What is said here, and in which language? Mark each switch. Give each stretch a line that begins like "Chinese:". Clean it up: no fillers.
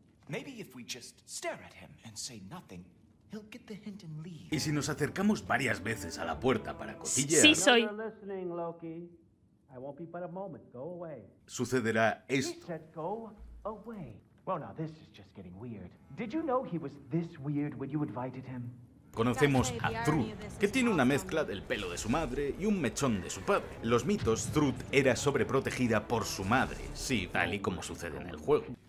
English: Maybe if we just stare at him and say nothing, he'll get the hint and leave.
Spanish: Y si nos acercamos varias veces a la puerta para cotillear, sí, soy. Sucederá esto.
English: He said go away. Well, now this is just getting weird. Did you know he was this weird when you invited him?
Spanish: Conocemos a Thrud, que tiene una mezcla del pelo de su madre y un mechón de su padre. En los mitos, Thrud era sobreprotegida por su madre, sí, tal y como sucede en el juego.